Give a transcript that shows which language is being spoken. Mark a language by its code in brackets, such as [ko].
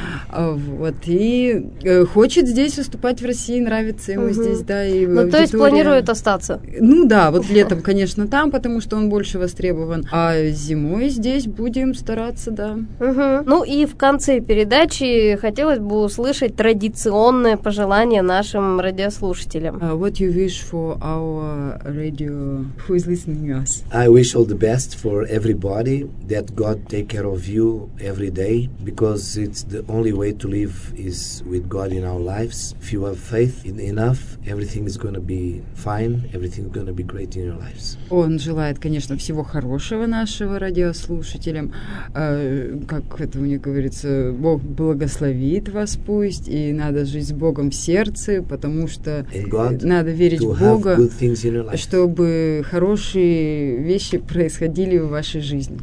[ru] Вот, и хочет здесь выступать в России, нравится ему здесь, да, и ну, то есть планирует остаться? Ну, да, вот летом, конечно, там, потому что он больше востребован, а зимой здесь будем стараться, да. Ну, и в конце передачи хотелось бы услышать традиционное пожелание нашим радиослушателям. [en] What you wish for our radio, who is listening to us? I wish all the best for everybody, that God take care of you every day, because it's the only way to live is with God in our lives. If you have faith enough, everything is going to be fine, everything is going to be great in your lives. [ru] Он желает, конечно, всего хорошего нашего радиослушателям. Как это мне говорится, Бог благословит вас пусть, и надо жить с Богом в сердце, потому что надо верить в Бога, чтобы хорошие вещи происходили в вашей жизни.